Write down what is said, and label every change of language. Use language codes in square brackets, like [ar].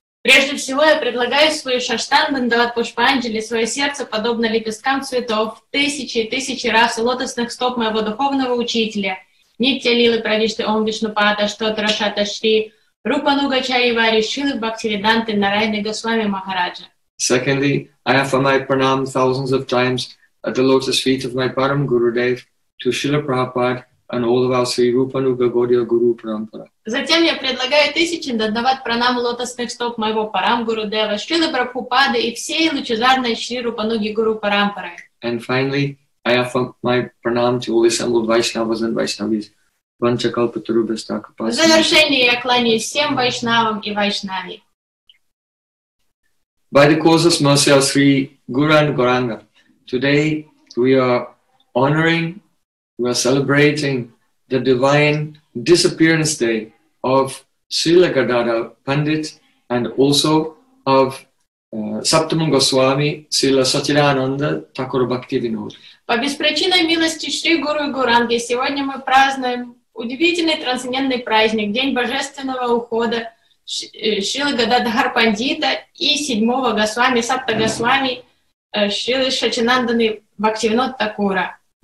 [ru] Прежде всего, я предлагаю свою шаштангу Дандават Пушпанджали, свое сердце, подобно лепесткам цветов, тысячи и тысячи раз у лотосных стоп моего духовного учителя. [sa] Нитья Лилы Правишты Ом Вишнупада, что Трашата Шри, Рупануга Чаривари, Шилы Бхактивиданты, Нарайны Госвами Махараджа. [en] Secondly, I offer my pranam thousands of times at the lotus feet of my Param Guru Dev to Srila Prabhupada, and all of our Sri Rupanuga Gaudiya Guru Parampara. [ru] Затем я предлагаю тысячи дандават пранам лотосных стоп моего Парам Гуру Дева, Шрилы Прабхупады и всей лучезарной Шри Рупануги Гуру Парампары. [en] And finally, I offer my pranam to all assembled Vaishnavas and Vaishnavis. [sa] Ванчакалпатарубастакапасам. [ru] В завершение я кланяюсь всем Вайшнавам и Вайшнави. [en] By the causes mercy of Sri Guru and Goranga, today we are honoring, we are celebrating the divine disappearance day of Srila Gadadhara Pandit and also of Saptama Goswami Srila Satchidananda Thakur Bhaktivinoda. [ru] По беспричинной милости Шри Гуру и Гуранги, сегодня мы празднуем удивительный трансцендентный праздник, день божественного ухода Шрила Гададхар Пандита и седьмого Госвами Сапта Госвами Шрилы Сачидананды Бхактивинода Такура.